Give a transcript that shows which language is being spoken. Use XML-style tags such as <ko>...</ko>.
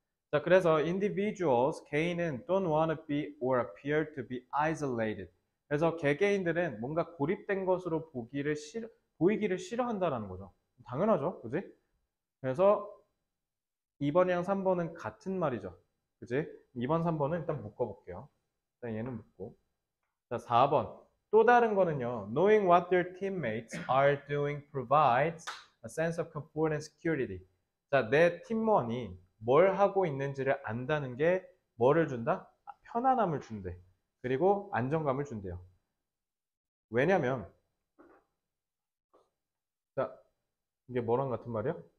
<ko>자, 그래서</ko> <en>individuals,</en> <ko>개인은</ko> <en>don't wanna be or appear to be isolated.</en> <ko>그래서 개개인들은 뭔가 고립된 것으로 보이기를 싫어한다라는 거죠. 당연하죠, 그지? 그래서 2번이랑 3번은 같은 말이죠, 그지? 2번, 3번은 일단 묶어볼게요. 일단 얘는 묶고. 자, 4번. 또 다른 거는요.</ko> <en>Knowing what their teammates are doing provides a sense of comfort and security.</en> <ko>자, 내 팀원이 뭘 하고 있는지를 안다는 게 뭐를 준다? 편안함을 준대. 그리고 안정감을 준대요. 왜냐면, 이게 뭐랑 같은 말이야?</ko>